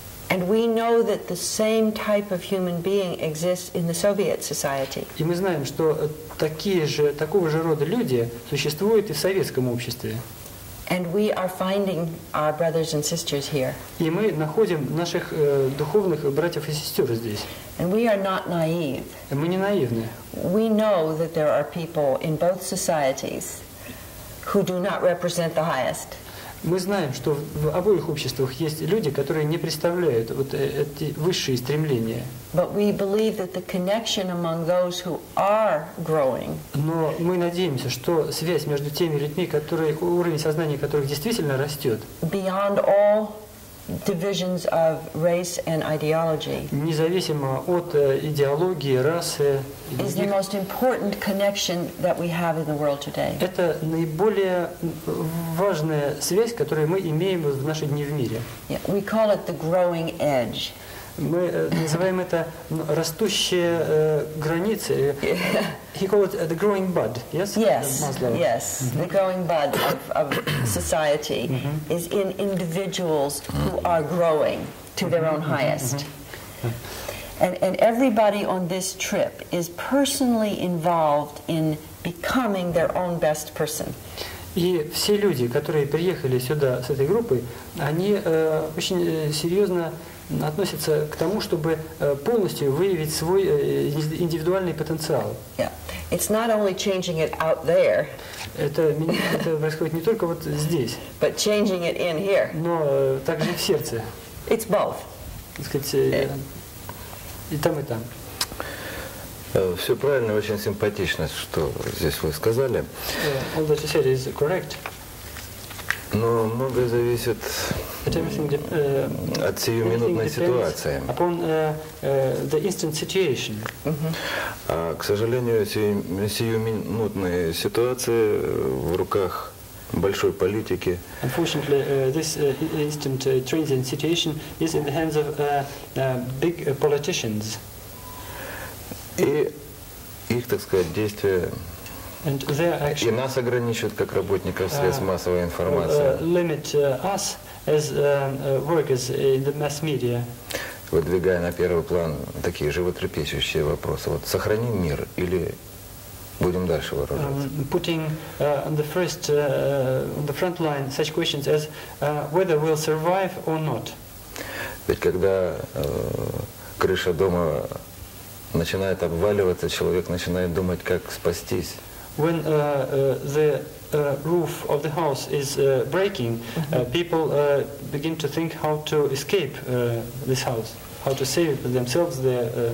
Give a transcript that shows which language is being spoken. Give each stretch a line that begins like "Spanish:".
English: And we know that the same type of human being exists in the Soviet society.
Russian: И мы знаем, что такого же рода люди существуют и в советском обществе.
English: And we are finding our brothers and sisters here.
Russian: И мы находим наших духовных братьев и сестер здесь.
English: And we are not naive.
Russian: И мы не наивны.
English: We know that there are people in both societies who do not represent the highest.
Russian: Мы знаем, что в обоих обществах есть люди, которые не представляют вот эти высшие стремления.
English: But we believe that the connection among those who are growing.
Russian: Но мы надеемся, что связь между теми людьми, которые уровень сознания которых действительно растет.
English: Beyond all divisions of race and ideology.
Russian: Независимо от идеологии, расы,
English: is the most important connection that we have in the world today.
Russian: Это наиболее важная связь, которую мы имеем в наши дни в мире.
English: Yeah, we call it the growing edge.
Russian: Мы называем это растущие границы.
English: He called it the growing bud. Yes. Yes. Yes. Mm-hmm. The growing bud of society mm-hmm. is in individuals who are growing to their own highest. Mm-hmm. And everybody on this trip is personally involved in becoming their own best person.
Russian: И все люди, которые приехали сюда с этой группой, они очень серьезно относится к тому, чтобы полностью выявить свой индивидуальный потенциал.
English: Yeah. It's not only changing it out there.
Russian: Это происходит не только вот здесь.
English: But changing it in here.
Russian: Но также и в сердце.
English: It's both.
Russian: Так сказать, и там, и там. Все правильно, очень симпатично, что здесь вы сказали.
English: All that you said is correct.
Russian: Но многое зависит от сиюминутной ситуации.
English: Upon, the instant situation. Mm-hmm.
Russian: А, к сожалению, сиюминутные ситуации в руках большой политики.
English: Unfortunately, this instant transient situation is in the hands of big politicians.
Russian: И их, так сказать, действия.
English: And their
Russian: и нас ограничивают как работников средств массовой информации.
English: Limit us as workers in the mass media.
Russian: Выдвигая на первый план такие животрепещущие вопросы. Вот сохраним мир или будем дальше вооружаться?
English: Putting on the first on the front line such questions as whether we'll survive or not.
Russian: Ведь когда крыша дома начинает обваливаться, человек начинает думать, как спастись.
English: When the roof of the house is breaking, mm-hmm. People begin to think how to escape this house, how to save themselves there.